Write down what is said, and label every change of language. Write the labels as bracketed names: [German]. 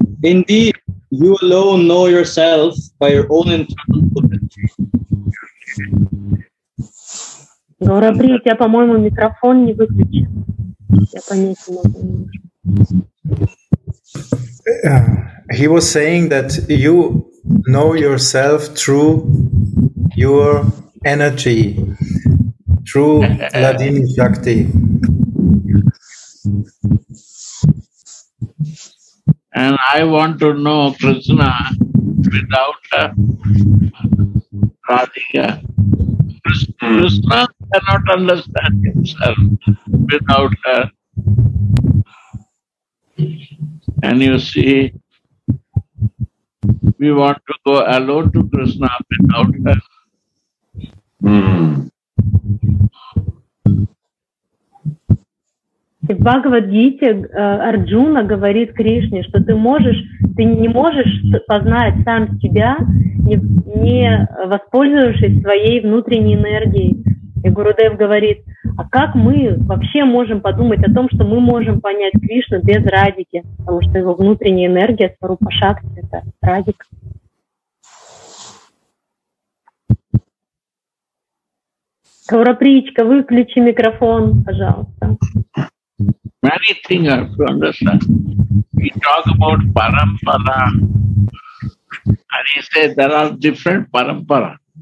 [English] Indeed, you alone know yourself by your own internal potency. [Russian] Гаурабри, у тебя, по-моему, микрофон не выключен. Я понять не могу. [English] He was saying that you know yourself through your energy, through Ladini Shakti. And I want to know Krishna without Radhika. Krishna cannot understand himself without her. And you see, we want to go alone to Krishna without her. [Russian] В Бхагавад-гите Арджуна говорит Кришне, что ты не можешь познать сам себя, не воспользовавшись своей внутренней энергией. И Гурудев говорит, а как мы вообще можем подумать о том, что мы можем понять Кришну без Радики? Потому что его внутренняя энергия, Сварупа Шакти, это Радика. Гаурапричка, выключи микрофон, пожалуйста. [English] May many things you have to understand. He talk about parampara, and he say there are different parampara.